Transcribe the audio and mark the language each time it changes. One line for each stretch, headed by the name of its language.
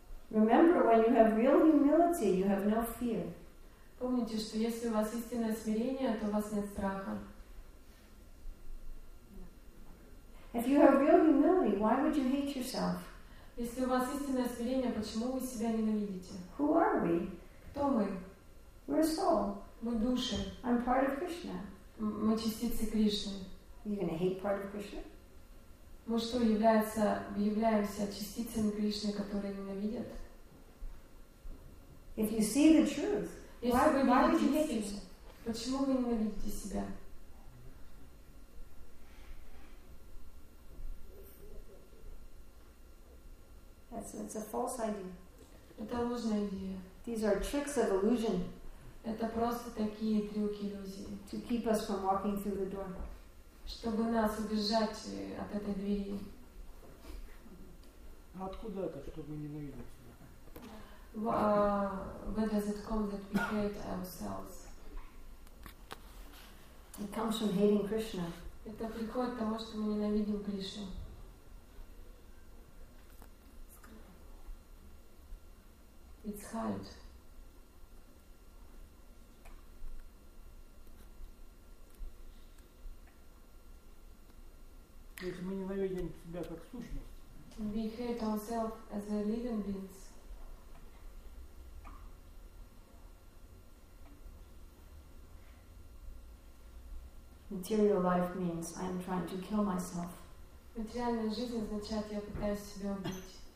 English: Remember, when you have real humility, you have no fear.
Russian: Помните, что если у вас истинное смирение, то у вас нет страха.
English: If you have real humility, why would you hate yourself?
Russian: Если у вас истинное смирение, почему вы себя ненавидите?
English: Who are we?
Russian: Кто мы?
English: We're a soul.
Russian: Мы души.
English: I'm part of Krishna.
Russian: Мы частицы Кришны.
English: You're gonna hate part of Krishna?
Russian: Мы что, являемся частицами Кришны, которые ненавидят?
English: If you see the truth,
Russian: почему вы ненавидите себя?
English: It's a false idea.
Russian: Это ложная идея.
English: These are tricks of illusion.
Russian: Это просто такие трюки иллюзии.
English: To keep us from walking through the door.
Russian: Чтобы нас убежать от этой двери. А откуда это, чтобы ненавидеть себя?
English: Where does it come that we hate ourselves? It comes from hating Krishna.
Russian: Это приходит от того, что мы ненавидим Кришну.
English: It's hard.
Russian: Если мы ненавидим себя как сущность.
English: We hate ourselves as a living beings. Material life means I'm trying to kill myself.
Russian: Материальная жизнь означает, я пытаюсь себя убить.